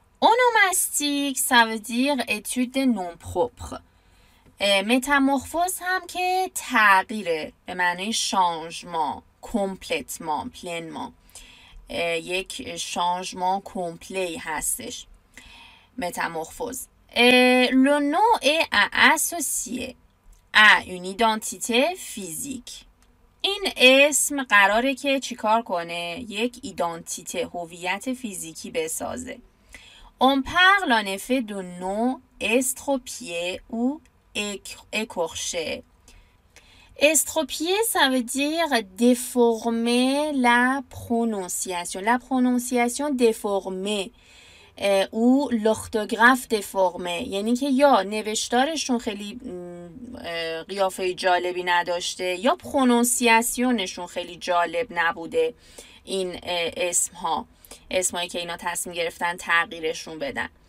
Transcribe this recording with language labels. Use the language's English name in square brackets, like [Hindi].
[French] Onomastique, ça veut dire étude des noms propres. [Persian] Métamorphose, هم که تغییره، به معنی [French] changement, complètement, pleinement. [Persian] یک [French] changement complet [Persian] هستش. [French] Métamorphose. Le nom est associé à une identité physique. [Persian] این اسم قراره که چیکار کنه؟ یک identité, هویت فیزیکی بسازه. [French] On parle en effet de nom estropié ou écorché. Estropié, ça veut dire déformer la prononciation. La prononciation déformée. [Persian] او لختوگراف دفرمه، یعنی که یا نوشتارشون خیلی قیافه جالبی نداشته یا پرونونسیاسیونشون خیلی جالب نبوده. این اسمها، اسمایی که اینا تصمیم گرفتن تغییرشون بدن.